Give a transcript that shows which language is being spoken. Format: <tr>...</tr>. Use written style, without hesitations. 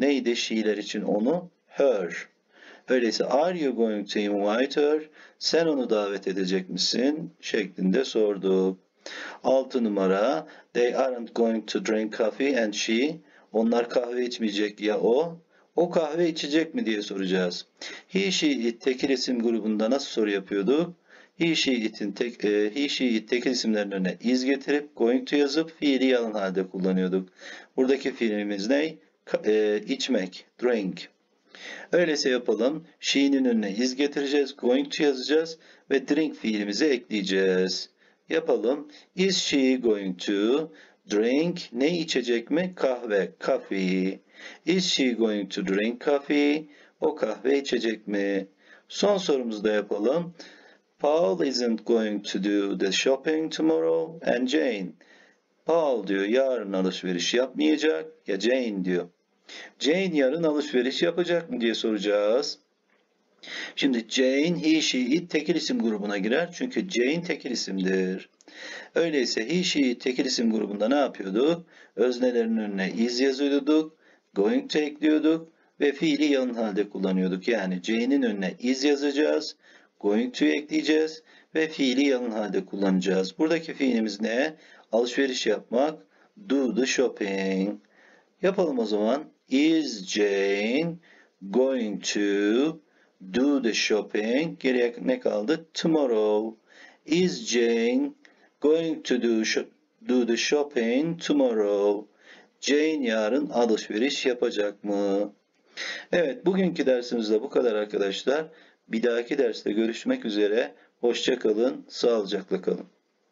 <tr>Neydi she'ler için onu?</tr> <en>Her.</en> <tr>Öyleyse</tr> <en>are you going to invite her?</en> <tr>Sen onu davet edecek misin? Şeklinde sorduk. 6 numara.</tr> <en>They aren't going to drink coffee and she.</en> <tr>Onlar kahve içmeyecek ya o? O kahve içecek mi diye soracağız. He, she, it tekil isim grubunda nasıl soru yapıyorduk? He, she, it'in tekil isimlerin önüne is getirip</tr> <en>going to</en> <tr>yazıp fiili yalın halde kullanıyorduk. Buradaki fiilimiz ne? İçmek, drink. Öyleyse yapalım. She'nin önüne is getireceğiz, going to yazacağız ve drink fiilimizi ekleyeceğiz. Yapalım.</tr> <en>Is she going to drink?</en> <tr>Ne içecek mi? Kahve,</tr> <en>coffee. Is she going to drink coffee?</en> <tr>O kahve içecek mi? Son sorumuzu da yapalım.</tr> <en>Paul isn't going to do the shopping tomorrow and Jane.</en> <tr>Paul diyor yarın alışveriş yapmayacak ya Jane diyor. Jane yarın alışveriş yapacak mı diye soracağız. Şimdi Jane, he, she, it tekil isim grubuna girer. Çünkü Jane tekil isimdir. Öyleyse he, she, it tekil isim grubunda ne yapıyorduk? Öznelerin önüne is yazıyorduk.</tr> <en>Going to</en> <tr>ekliyorduk. Ve fiili yalın halde kullanıyorduk. Yani Jane'in önüne is yazacağız.</tr> <en>Going to</en> <tr>ekleyeceğiz. Ve fiili yalın halde kullanacağız. Buradaki fiilimiz ne? Alışveriş yapmak.</tr> <en>Do the shopping.</en> <tr>Yapalım o zaman.</tr> <en>Is Jane going to do the shopping?</en> <tr>Geriye ne kaldı?</tr> <en>Tomorrow. Is Jane going to do the shopping tomorrow?</en> <tr>Jane yarın alışveriş yapacak mı? Evet, bugünkü dersimiz de bu kadar arkadaşlar. Bir dahaki derste görüşmek üzere. Hoşça kalın, sağlıcakla kalın.</tr>